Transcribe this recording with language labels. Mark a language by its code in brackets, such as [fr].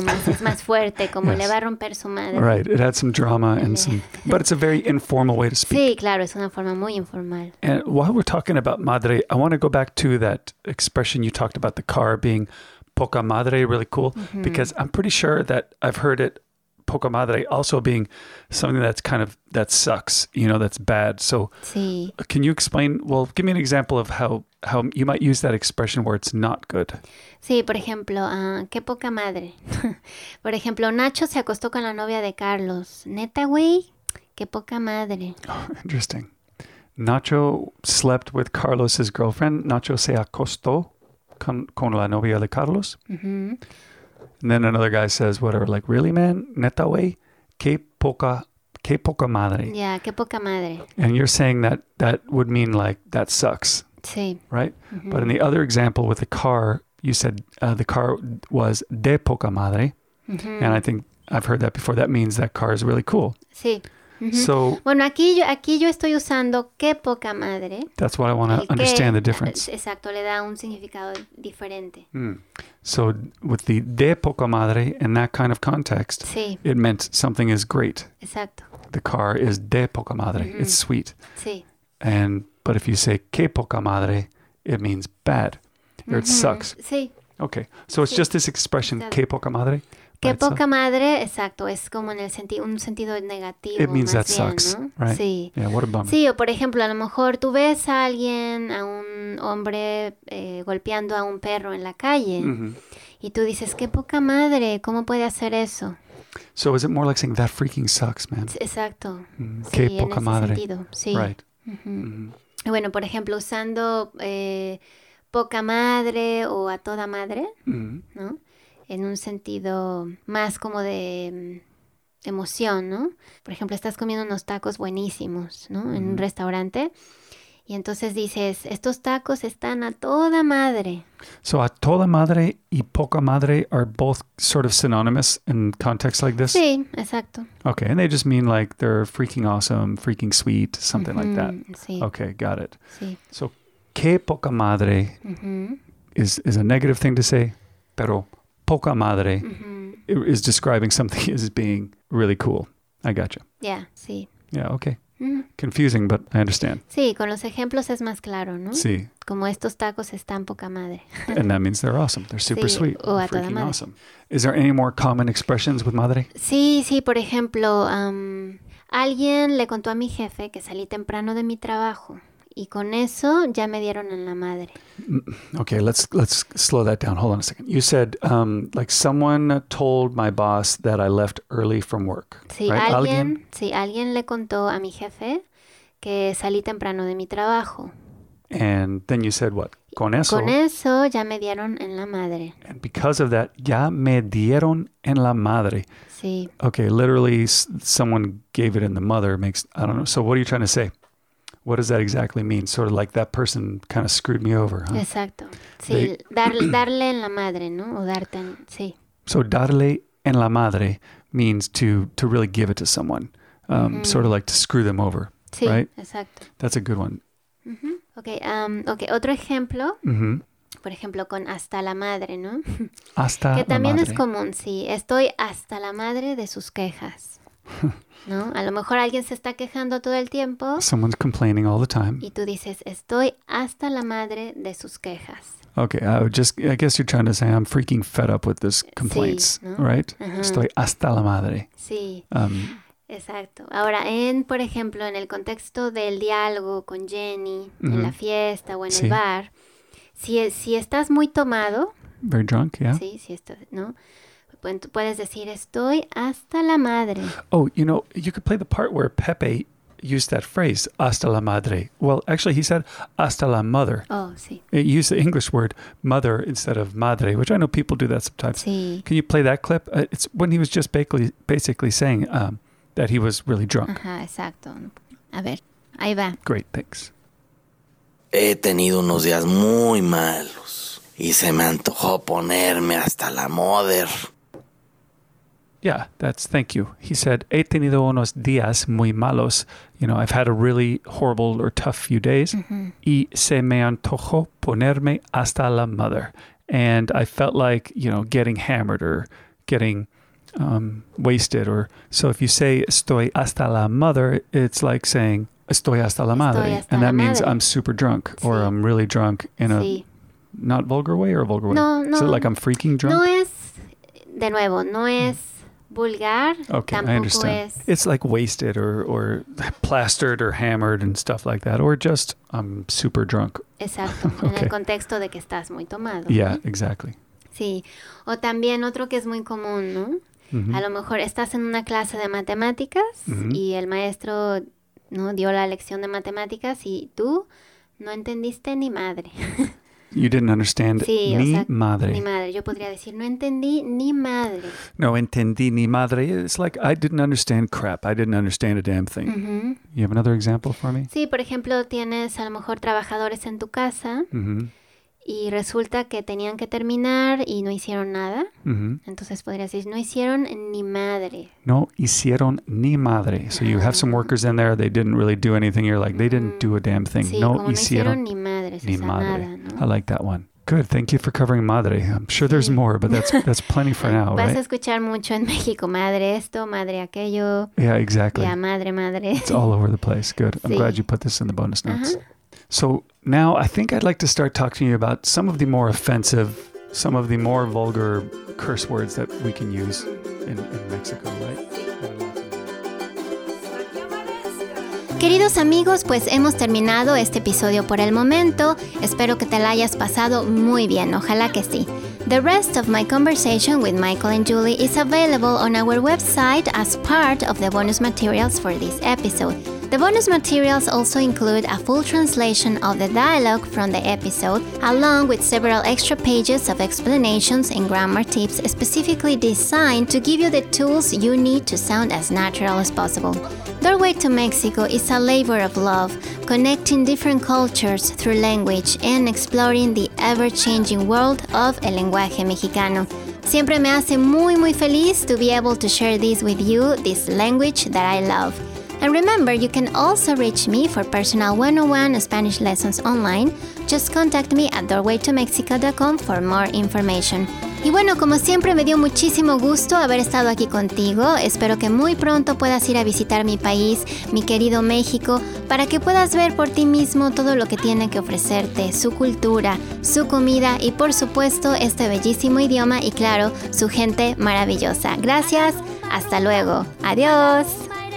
[es] Más, es más fuerte, como yes. le va a romper su madre. [en] Right, it had some drama and some, but it's a very informal way to speak. [es] Sí, claro, es una forma muy informal. [en] And while we're talking about madre, I want to go back to that expression you talked about, the car being poca madre, really cool, mm-hmm. because I'm pretty sure that I've heard it, poca madre, also being something that's kind of, that sucks, you know, that's bad. So [es] sí. [en] Can you explain, well, give me an example of how you might use that expression where it's not good. [es] Sí, por ejemplo, qué poca madre. Por ejemplo, Nacho se acostó con la novia de Carlos. Neta, güey, qué poca madre. [en] Oh, interesting. Nacho slept with Carlos's girlfriend. [es] Nacho se acostó con la novia de Carlos. Mm-hmm. [en] And then another guy says, whatever, like, really, man? [es] Neta, güey? Qué poca madre. [en] Yeah, [es] qué poca madre. [en] And you're saying that would mean, like, that sucks. [es] Sí. [en] Right? Mm-hmm. But in the other example with the car, you said the car was de poca madre. Mm-hmm. And I think I've heard that before. That means that car is really cool. [es] Sí. Mm-hmm. [en] So. [es] Bueno, aquí yo estoy usando qué poca madre. [en] That's what I want to understand the difference. [es] Exacto, le da un significado diferente. [en] Mm. So with the de poca madre in that kind of context, [es] sí. [en] it meant something is great. [es] Exacto. [en] The car is de poca madre. Mm-hmm. It's sweet. [es] Sí. [en] But if you say que poca madre, it means bad. Or mm-hmm. it sucks. [es] Sí. [en] Okay, so it's just this expression, qué poca madre. [es] Qué poca madre, exacto, es como en el un sentido negativo. [en] It means that [es] bien, [en] sucks, [es] ¿no? [en] Right? [es] Sí. [en] Yeah, what a bummer. [es] Sí, o por ejemplo, a lo mejor tú ves a alguien, a un hombre golpeando a un perro en la calle, mm-hmm. y tú dices, qué poca madre, ¿cómo puede hacer eso? [en] So is it more like saying that freaking sucks, man? [es] Exacto. Mm-hmm. Qué sí, poca en madre. Sentido. Sí. [en] Right. Mm-hmm. Mm-hmm. [es] Bueno, por ejemplo, usando poca madre o a toda madre, mm-hmm. ¿no? En un sentido más como de emoción, ¿no? Por ejemplo, estás comiendo unos tacos buenísimos, ¿no? Mm-hmm. En un restaurante. Y entonces dices, estos tacos están a toda madre. [en] So, a toda madre y poca madre are both sort of synonymous in contexts like this? [es] Sí, exacto. [en] Okay, and they just mean like they're freaking awesome, freaking sweet, something mm-hmm. like that. [es] Sí. [en] Okay, got it. [es] Sí. [en] So, qué poca madre mm-hmm. is a negative thing to say, [es] pero [en] poca madre mm-hmm. is describing something as being really cool. I gotcha. Yeah, [es] sí. [en] Yeah, okay. Confusing, but I understand. [es] Sí, con los ejemplos es más claro, ¿no? Sí. Como estos tacos están poca madre. [en] And that means they're awesome. They're super [es] sí, [en] sweet. [es] O a toda madre. [en] Awesome. Is there any more common expressions with madre? [es] Sí, sí. Por ejemplo, alguien le contó a mi jefe que salí temprano de mi trabajo. Y con eso ya me dieron en la madre. [en] Okay, let's slow that down. Hold on a second. You said like someone told my boss that I left early from work. [es] Sí, [en] right? [es] alguien le contó a mi jefe que salí temprano de mi trabajo. [en] And then you said what? [es] Con eso ya me dieron en la madre. [en] And because of that, [es] ya me dieron en la madre. Sí. [en] Okay, literally someone gave it in the mother makes I don't know. So what are you trying to say? What does that exactly mean? Sort of like that person kind of screwed me over, huh? [es] Exacto. Sí, darle en la madre, ¿no? O darte en, sí. [en] So darle en la madre means to really give it to someone. Mm-hmm. Sort of like to screw them over, [es] sí, [en] right? [es] Sí, exacto. [en] That's a good one. [es] Mm-hmm. [en] Okay, okay, [es] otro ejemplo. Mm-hmm. Por ejemplo, con hasta la madre, ¿no? Hasta la madre. Que también es común, sí. Estoy hasta la madre de sus quejas. ¿No? A lo mejor alguien se está quejando todo el tiempo. [en] Someone's complaining all the time. [es] Y tú dices, estoy hasta la madre de sus quejas. [en] Okay, I guess you're trying to say I'm freaking fed up with this complaints, [es] sí, ¿no? [en] Right? Uh-huh. [es] Estoy hasta la madre. Sí, exacto. Ahora, por ejemplo, en el contexto del diálogo con Jenny, mm-hmm. en la fiesta o en sí. el bar, si estás muy tomado. [en] Very drunk, yeah. [es] Sí, si estás, ¿no? Puedes decir, estoy hasta la madre. [en] Oh, you know, you could play the part where Pepe used that phrase, hasta la madre. Well, actually, he said, hasta la mother. [es] Oh, sí. [en] It used the English word mother instead of madre, which I know people do that sometimes. [es] Sí. [en] Can you play that clip? It's when he was just basically saying that he was really drunk. [es] Ajá, exacto. A ver, ahí va. [en] Great, thanks. [es] He tenido unos días muy malos. Y se me antojó ponerme hasta la mother. [en] Yeah, that's thank you. He said, [es] he tenido unos días muy malos. [en] You know, I've had a really horrible or tough few days. Mm-hmm. [es] Y se me antojó ponerme hasta la mother. [en] And I felt like, you know, getting hammered or getting wasted. Or so if you say [es] estoy hasta la mother, [en] it's like saying [es] estoy hasta la madre. Estoy hasta [en] and that [es] la [en] means [es] madre. [en] I'm super drunk or [es] sí. [en] I'm really drunk in [es] sí. [en] a... Not vulgar way or vulgar way? [es] No, no. [en] Is it like I'm freaking drunk? [es] No es, de nuevo, no es vulgar. [en] Okay, [es] tampoco [en] I understand. [es] Es... [en] It's like wasted or plastered or hammered and stuff like that. Or just I'm super drunk. [es] Exacto. [en] Okay. [es] En el contexto de que estás muy tomado. [en] Yeah, [es] ¿sí? [en] Exactly. [es] Sí. O también otro que es muy común, ¿no? Mm-hmm. A lo mejor estás en una clase de matemáticas mm-hmm. y el maestro no dio la lección de matemáticas y tú no entendiste ni madre. [en] You didn't understand [es] sí, ni o sea, madre. Ni madre. Yo podría decir, no entendí ni madre. No entendí ni madre. [en] It's like, I didn't understand crap. I didn't understand a damn thing. Mm-hmm. You have another example for me? [es] Sí, por ejemplo, tienes a lo mejor trabajadores en tu casa mm-hmm. y resulta que tenían que terminar y no hicieron nada. Mm-hmm. Entonces podrías decir, no hicieron ni madre. No hicieron ni madre. [en] So you have some workers in there, they didn't really do anything. You're like, they didn't do a damn thing. [es] Sí, no, como hicieron no hicieron ni madre. Ni madre. Nada, ¿no? [en] I like that one. Good. Thank you for covering madre. I'm sure [es] sí. [en] there's more, but that's plenty for now, [es] vas [en] right? [es] Vas a escuchar mucho en México. Madre esto, madre aquello. [en] Yeah, exactly. [es] Ya madre, madre. [en] It's all over the place. Good. [es] Sí. [en] I'm glad you put this in the bonus notes. Uh-huh. So now I think I'd like to start talking to you about some of the more offensive some of the more vulgar curse words that we can use in Mexico, right? [es] Queridos amigos, pues hemos terminado este episodio por el momento. Espero que te la hayas pasado muy bien. Ojalá que sí. [en] The rest of my conversation with Michael and Julie is available on our website as part of the bonus materials for this episode. The bonus materials also include a full translation of the dialogue from the episode, along with several extra pages of explanations and grammar tips specifically designed to give you the tools you need to sound as natural as possible. Doorway to Mexico is a labor of love, connecting different cultures through language and exploring the ever-changing world of [es] el lenguaje mexicano. Siempre me hace muy, muy feliz [en] to be able to share this with you, this language that I love. And remember, you can also reach me for personal 101 Spanish lessons online. Just contact me at doorwaytomexico.com for more information. [es] Y bueno, como siempre, me dio muchísimo gusto haber estado aquí contigo. Espero que muy pronto puedas ir a visitar mi país, mi querido México, para que puedas ver por ti mismo todo lo que tiene que ofrecerte, su cultura, su comida y, por supuesto, este bellísimo idioma y, claro, su gente maravillosa. Gracias, hasta luego. Adiós. [en] Bye.